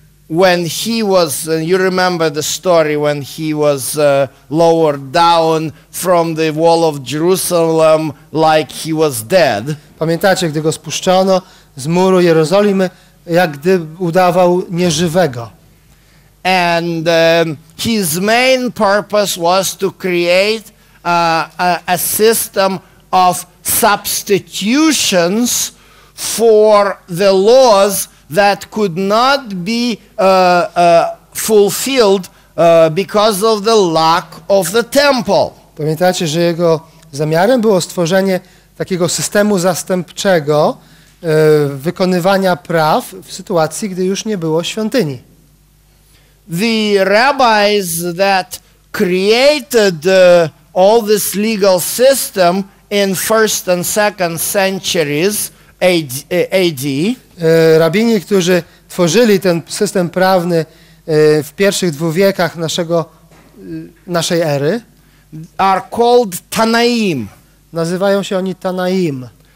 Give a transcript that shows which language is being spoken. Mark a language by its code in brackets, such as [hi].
[en] When he was, you remember the story when he was lowered down from the wall of Jerusalem like he was dead. [pl] Pamiętacie, gdy go spuszczono z muru Jerozolimy, jak gdy udawał nieżywego. [en] And his main purpose was to create a system of substitutions for the laws that could not be fulfilled because of the lack of the temple. [pl] Pamiętacie, że jego zamiarem było stworzenie takiego systemu zastępczego wykonywania praw w sytuacji, gdy już nie było świątyni. [en] The rabbis that created all this legal system in first and second centuries AD. [pl] Rabini, którzy tworzyli ten system prawny w pierwszych dwóch wiekach naszej ery, [en] are called Tanaim. [pl] Nazywają się oni Tanaim.